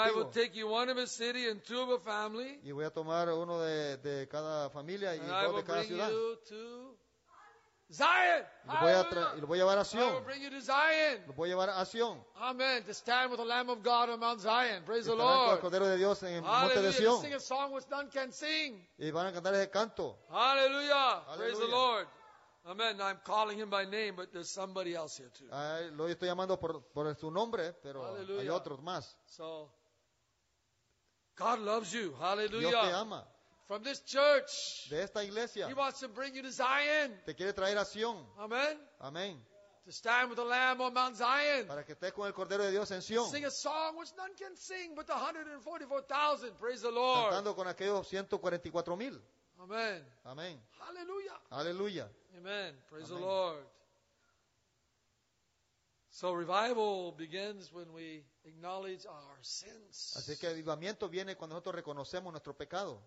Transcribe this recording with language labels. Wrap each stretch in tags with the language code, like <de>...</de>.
<en>And I will take you one of a city and two of a family.</en> <es>Y voy a tomar uno de cada familia y dos de cada ciudad.</es> <en>And I will bring you to Zion.</en> <es>Y lo voy a llevar a Sion.</es> <en>I will bring you to Zion.</en> <es>Lo voy a llevar a Sion.</es> <en>Amen. To stand with the Lamb of God on Mount Zion. Praise the Lord.</en> <es>Con el Cordero de Dios en el Monte de Sion.</es> <en>Sing a song which none can sing.</en> <es>Y van a cantar ese canto.</es> <en>Hallelujah. Praise the Lord. Amen. Now I'm calling him by name, but there's somebody else here too.</en> <es>Lo estoy llamando por su nombre, pero hay otros más.</es> <en>So, God loves you. Hallelujah.</en> <es>Dios te ama.</es> <en>From this church.</en> <es>De esta iglesia.</es> <en>He wants to bring you to Zion.</en> <es>Te quiere traer a Sion.</es> <en>Amen. Amen. To stand with the Lamb on Mount Zion.</en> <es>Para que estés con el Cordero de Dios en Sion.</es> <en>Sing a song which none can sing, but the 144,000. Praise the Lord.</en> <es>Cantando con aquellos 144,000.</es> <en>Amen. Amen. Hallelujah. Hallelujah. Amen. Praise Amen. The Lord. So revival begins when we acknowledge our sins.</en> <es>Así que avivamiento viene cuando nosotros reconocemos nuestro pecado.</es>